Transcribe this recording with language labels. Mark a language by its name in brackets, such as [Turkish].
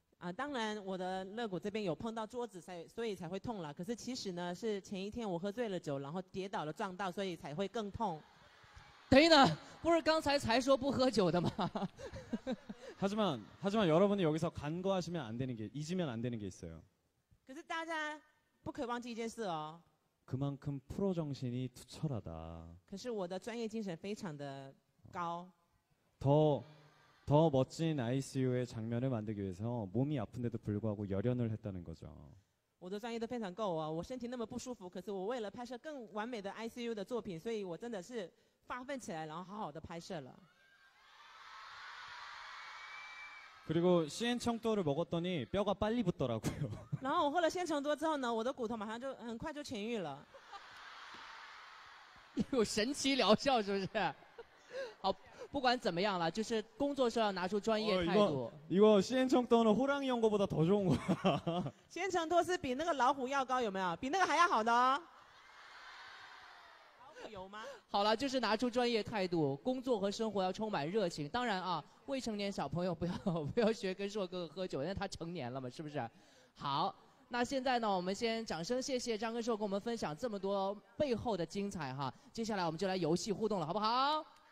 [Chinese] 啊当然我的肋骨这边有碰到桌子所以才会痛了可是其实呢是前一天我喝醉了酒然后跌倒了撞到所以才会更痛等一等不是刚才才说不喝酒的吗 [Korean] 하지만여러분이여기서간과하시면안되는게잊으면안되는게있어요 그래서 [Chinese] 大家不可以忘记一件事哦 [Korean] 그만큼프로정신이투철하다 [Chinese] 可是我的专业精神非常的高 [Korean] 더멋진 ICU 의장면을만들기위해서몸이아픈데도불구하고열연을했다는거죠 [Chinese] 我的专业都非常够啊我身体那么不舒服可是我为了拍摄更完美的 ICU 的作品所以我真的是发奋起来然后好好的拍摄了 [Korean] 그리고시엔청도를먹었더니뼈가빨리붙더라고요 [Chinese] 然后我喝了鲜橙多之后呢我的骨头马上就很快就痊愈了有神奇疗效是不是好不管怎么样了就是工作时候要拿出专业态度 [Korean] 이거시엔청도는호랑이형거보다더좋은거야 [Chinese] 鲜橙多是比那个老虎药膏有没有比那个还要好的哦有吗好了就是拿出专业态度工作和生活要充满热情当然啊未成年小朋友不要学跟硕哥哥喝酒因为他成年了嘛是不是好那现在呢我们先掌声谢谢张根硕跟我们分享这么多背后的精彩哈接下来我们就来游戏互动了好不好